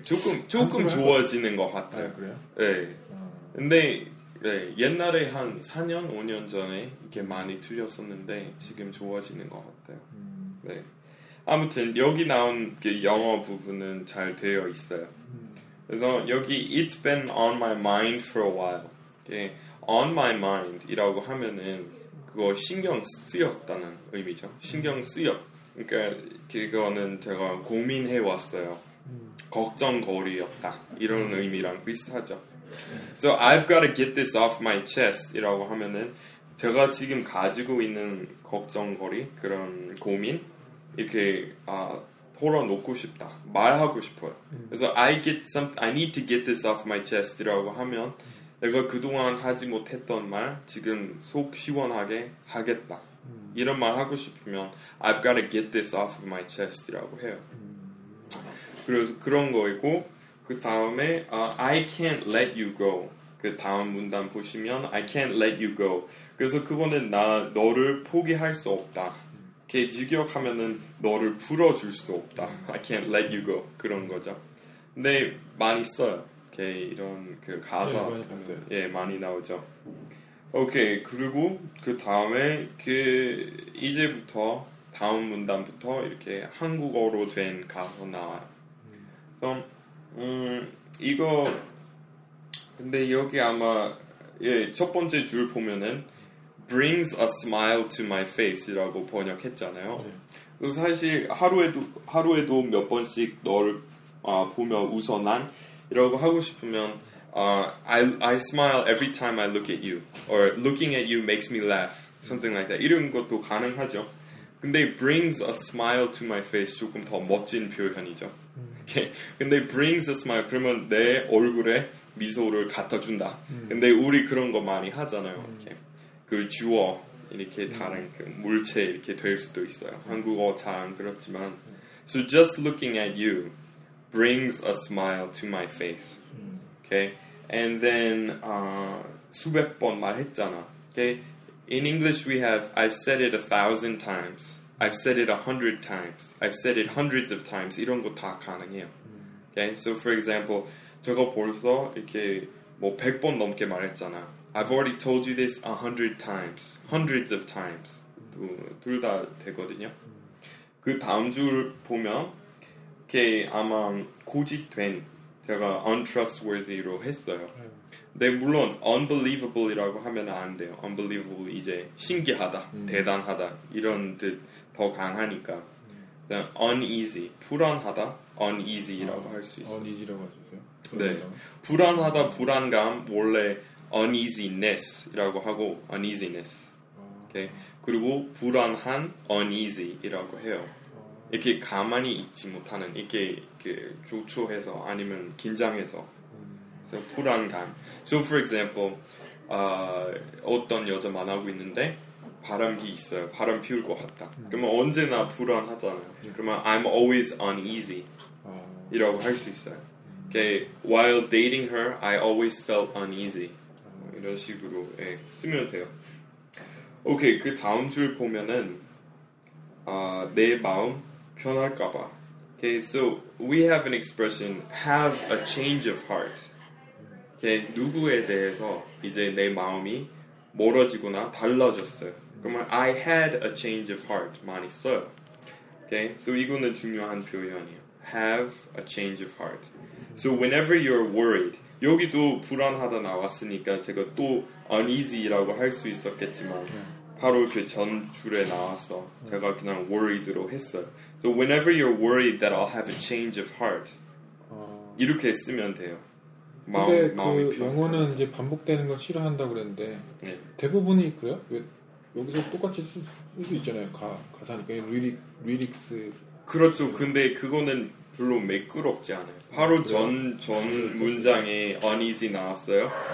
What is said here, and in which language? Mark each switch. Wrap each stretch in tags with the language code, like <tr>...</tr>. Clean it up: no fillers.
<ko>조금 좋아지는 것 같아요. 아, 그래요? 네. 근데 네. 옛날에 한 4년, 5년 전에 이렇게 많이 틀렸었는데 지금 좋아지는 것 같아요. 네. 아무튼 여기 나온 그 영어 부분은 잘 되어 있어요. 그래서 여기</ko> <en>it's been on my mind for a while. Okay.</en> <ko>on my mind이라고 하면은 그거 신경 쓰였다는 의미죠. 신경 쓰여. 그러니까 그거는 제가 고민해 왔어요. 걱정거리였다. 이런 의미랑 비슷하죠.</ko> <en>So I've got to get this off my chest</en> <ko>이라고 하면은 제가 지금 가지고 있는 걱정거리 그런 고민 이렇게 아 털어놓고 싶다. 말하고 싶어요. 그래서</ko> <en>I need to get this off my chest</en> <ko>이라고 하면 내가 그동안 하지 못했던 말 지금 속 시원하게 하겠다. 이런 말 하고 싶으면</ko> <en>I've got to get this off my chest</en> <ko>이라고 해요. 그래서 그런 거이고 그 다음에</ko> <en>I can't let you go.</en> <ko>그 다음 문단 보시면</ko> <en>I can't let you go.</en> <ko>그래서 그거는 나 너를 포기할 수 없다. 그 직역하면은 너를 풀어줄 수 없다.</ko> <en>I can't let you go</en> <ko>그런 거죠. 근데 많이 써요. 그 이런 그 가사 네, 많이 봤어요. 예 많이 나오죠. 오케이 그리고 그 다음에 그 이제부터 다음 문단부터 이렇게 한국어로 된 가사 나와요. 그래서 이거 근데 여기 아마 예 첫 번째 줄 보면은</ko> <en>brings a smile to my face</en> <ko>라고 번역했잖아요. 네. 사실 하루에도 몇 번씩 너를 보며 웃어 난 이라고 하고 싶으면</ko> <en>I smile every time I look at you or looking at you makes me laugh something like that</en> <ko>이런 것도 가능하죠. 근데</ko> <en>brings a smile to my face</en> <ko>조금 더 멋진 표현이죠. 근데</ko> <en>brings a smile</en> <ko>그러면 내 얼굴에 미소를 갖다 준다. 근데 우리 그런 거 많이 하잖아요. 이렇게 그 주어 이렇게 다른 그 물체 이렇게 될 수도 있어요. 한국어 잘 안 그렇지만.</ko> <en>So just looking at you brings a smile to my face. Okay. And then</en> <ko>수백 번 말했잖아.</ko> <en>Okay. In English we have I've said it 1,000 times. I've said it 100 times. I've said it hundreds of times.</en> <ko>이런 거 다 가능해요. Okay.</ko> <en>So for example,</en> <ko>제가 벌써 이렇게 뭐 100번 넘게 말했잖아.</ko> <en>I've already told you this 100 times. Hundreds of times.</en> <ko>둘 다 되거든요. 그 다음 줄 보면 이렇게 아마 고집된 제가 untrustworthy로 했어요. 네, 물론 unbelievable이라고 하면 안 돼요. Unbelievable 이제 신기하다, 대단하다 이런 뜻 더 강하니까 uneasy, 불안하다, uneasy라고 할 수 있어요. uneasy라고 할 수 있어요? 네, 불안하다, 불안감 원래 uneasiness이라고 하고 uneasiness. 오케이. 그리고 불안한 uneasy이라고 해요. 이렇게 가만히 있지 못하는 이렇게 그 조촐해서 아니면 긴장해서 그래서 불안감.</ko> <en>So for example,</en> <ko>어떤 여자 만나고 있는데 바람기 있어요. 바람 피울 것 같다. 그러면 언제나 불안하잖아요. 그러면</ko> <en>I'm always uneasy</en> <ko>이라고 할 수 있어요.</ko> <en>Okay, while dating her, I always felt uneasy.</en> <ko>이런 식으로 예, 쓰면 돼요.</ko> <en>Okay, 그 다음 줄 보면은</en> <ko>내 마음 변할까봐.</ko> <en>Okay, so we have an expression have a change of heart.</en> <ko>Okay, 누구에 대해서 이제 내 마음이 멀어지거나 달라졌어요. 그러면</ko> <en>I had a change of heart</en> <ko>많이 써요.</ko> <en>Okay, so</en> <ko>이거는 중요한 표현이에요.</ko> <en>Have a change of heart. So whenever you're worried,</en> <ko>여기도 불안하다 나왔으니까 제가 또 uneasy라고 할 수 있었겠지만 바로 그 전 줄에 나와서 제가 그냥 worried로 했어요.</ko> <en>So whenever you're worried that I'll have a change of heart,</en> <ko>이렇게 쓰면 돼요. 근데 마음이 그 영어는 이제 반복되는 걸 싫어한다 그랬는데 네. 대부분이 그래요? 왜 여기서 똑같이 쓸 수 있잖아요. 가사니까 리릭스. 그렇죠. 근데 그거는 별로 매끄럽지 않아요. 바로 전 문장에 uneasy 나왔어요.</ko>